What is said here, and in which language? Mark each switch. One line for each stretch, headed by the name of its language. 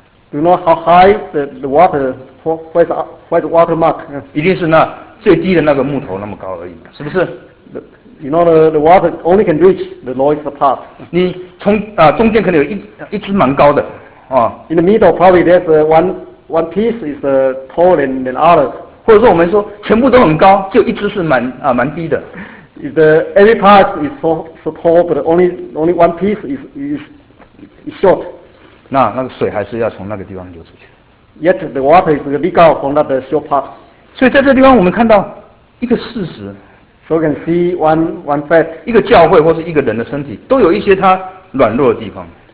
English: ？Do you know how high the water where's the water mark?
Chinese: 一定是那最低的那个木头那么高而已，是不是？
English: You know the water only can reach the lowest part.
Chinese: 你从啊、中间可能有一只蛮高的啊。
English: In the middle, probably there's one piece is taller than others.
Chinese: 或者说我们说全部都很高，就一只是蛮啊蛮低的。
English: If the every part is so tall, but only one piece is short.
Chinese: 那个水还是要从那个地方流出去。
English: Yet the water is leak out from that short part.
Chinese: 所以在这地方我们看到一个事实。
English: So we can see one fact.
Chinese: 一个教会或是一个人的身体都有一些他软弱的地方。